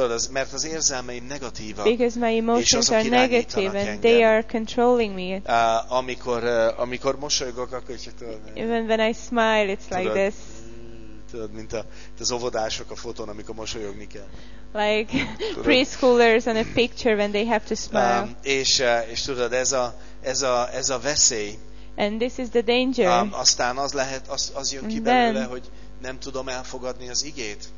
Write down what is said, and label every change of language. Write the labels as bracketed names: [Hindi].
[Hungarian] Mert az érzelmeim negatívak. [English] Because my emotions are negative and [Hungarian] engem. [English] They are controlling me. [Hungarian] Amikor mosolygok, akkor is tudod. [English] Even when I smile, it's like this. [Hungarian] Tudod, mint az óvodások a fotón, amikor mosolyogni kell. [English] Like preschoolers on a picture when they have to smile. [Hungarian] És tudod, ez a veszély. [English] And this is the danger. [Hungarian] Aztán az lehet, az jön ki belőle, hogy nem tudom elfogadni az igét.